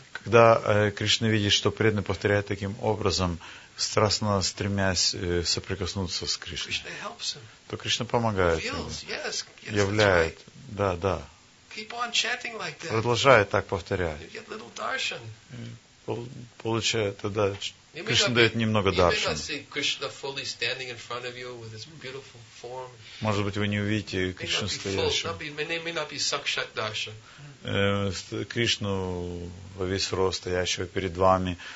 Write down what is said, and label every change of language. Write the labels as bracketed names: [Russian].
[Russian] Когда Кришна видит, что преданный повторяет таким образом, страстно стремясь соприкоснуться с Кришной, [English] Krishna helps him. [Russian] То Кришна помогает ему. Yes, являет. [English] Right. [Russian] Да, да. [English] Keep on chanting like that. [Russian] Продолжает так повторять. [English] You get little darshan. [Russian] Получает тогда Кришна дает немного даршан. [English] Krishna fully standing in front of you with his beautiful form. [Russian] Может быть, вы не увидите Кришну стоящего. [English] May not be sakshat darshan. [Russian] Кришну во весь рост стоящего перед вами.